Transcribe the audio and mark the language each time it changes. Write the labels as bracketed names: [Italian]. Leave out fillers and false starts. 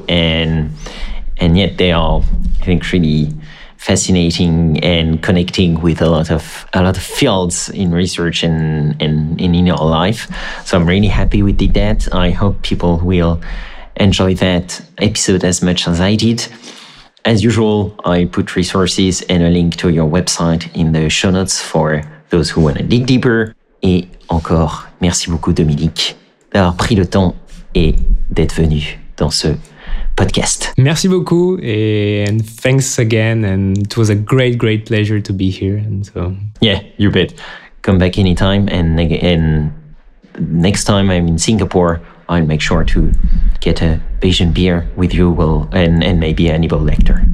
[English] And yet they are, I think, really fascinating and connecting with a lot of fields in research and in our life. So I'm really happy we did that. I hope people will enjoy that episode as much as I did. As usual, I put resources and a link to your website in the show notes for those who want to dig deeper. [French] Et encore, merci beaucoup, Dominique, d'avoir pris le temps et d'être venu dans ce podcast. Merci beaucoup, [English] and thanks again, and it was a great, great pleasure to be here. And so, yeah, you bet. Come back anytime, and next time I'm in Singapore, I'll make sure to get a Bayesian beer with you, and maybe a Hannibal Lecter.